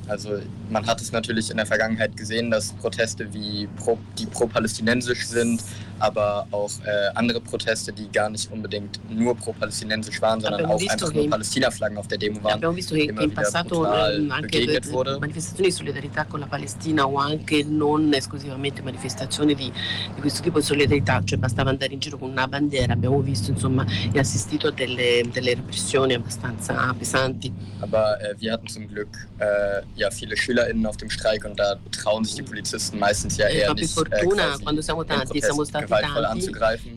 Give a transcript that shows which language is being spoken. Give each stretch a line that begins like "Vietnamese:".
German: Also man hat es natürlich in der Vergangenheit gesehen, dass Proteste die pro-palästinensisch sind, aber auch andere Proteste, die gar nicht unbedingt nur pro-palästinensisch waren, sondern auch einfach nur Palästina-Flaggen auf der Demo waren, immer wieder brutal begegnet wurde.
Italian: Manifestazioni di solidarietà con la Palestina o anche non esclusivamente manifestazioni di questo tipo di solidarietà, cioè bastava andare in giro con una bandiera, abbiamo visto insomma e assistito a delle repressioni abbastanza pesanti.
German: Aber wir hatten zum Glück ja viele SchülerInnen auf dem Streik und da trauen sich die Polizisten meistens ja eher nicht.
Italian: Fortuna, quando siamo tanti, siamo stati tanti
German: anzugreifen.